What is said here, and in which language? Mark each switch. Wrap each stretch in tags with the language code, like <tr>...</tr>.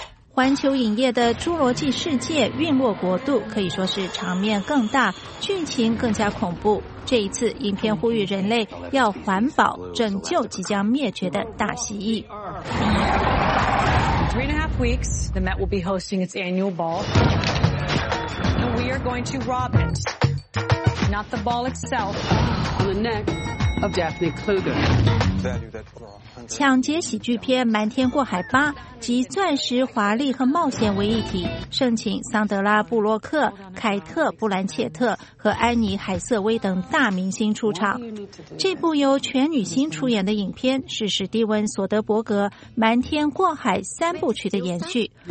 <zh>环球影业的《侏罗纪世界：陨落国度》可以说是场面更大，剧情更加恐怖。这一次，影片呼吁人类要环保，拯救即将灭绝的大蜥蜴。</zh> <en>Three and a half weeks, the Met will be hosting its annual ball, and we are going to rob it, not the ball itself, on the neck of Daphne Kluger.</en> <zh>抢劫喜剧片《瞒天过海八》集钻石、华丽和冒险为一体，盛请桑德拉·布洛克、凯特·布兰切特和安妮·海瑟薇等大明星出场。这部由全女星出演的影片是史蒂文·索德伯格《瞒天过海》三部曲的延续。</zh>